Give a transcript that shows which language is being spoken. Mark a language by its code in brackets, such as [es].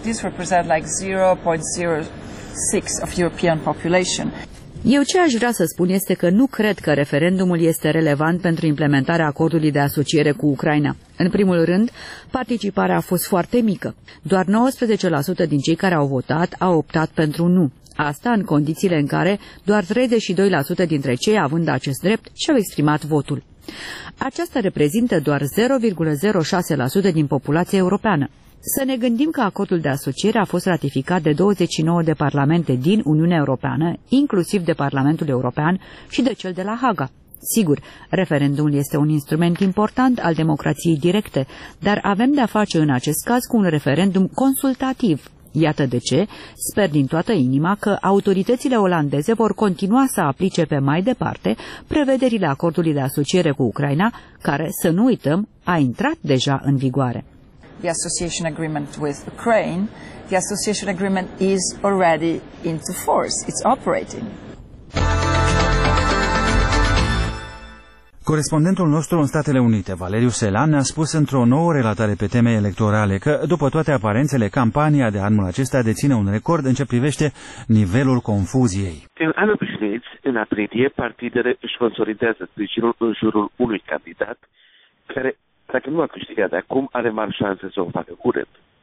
[en] This represents like 0.06 of European population. [ro] Eu ce aș vrea să spun este că nu cred că referendumul este relevant pentru implementarea acordului de asociere cu Ucraina. În primul rând, participarea a fost foarte mică. Doar 19% din cei care au votat au optat pentru nu. Asta în condițiile în care doar 32% dintre cei având acest drept și-au exprimat votul. Aceasta reprezintă doar 0,06% din populația europeană. Să ne gândim că acordul de asociere a fost ratificat de 29 de parlamente din Uniunea Europeană, inclusiv de Parlamentul European și de cel de la Haga. Sigur, referendumul este un instrument important al democrației directe, dar avem de-a face în acest caz cu un referendum consultativ. Iată de ce sper din toată inima că autoritățile olandeze vor continua să aplice pe mai departe prevederile acordului de asociere cu Ucraina, care, să nu uităm, a intrat deja în vigoare. [en] The association agreement with Ukraine, the association agreement is already into force, it's operating. [ro] Corespondentul nostru în Statele Unite, Valeriu Selan, ne-a spus într-o nouă relatare pe teme electorale că, după toate aparențele, campania de anul acesta deține un record în ce privește nivelul confuziei. În an obișnuiți, în aprilie, partidele își consolidează sprijinul în jurul unui candidat care, dacă nu a câștigat de acum, are mari șanse să o facă curând.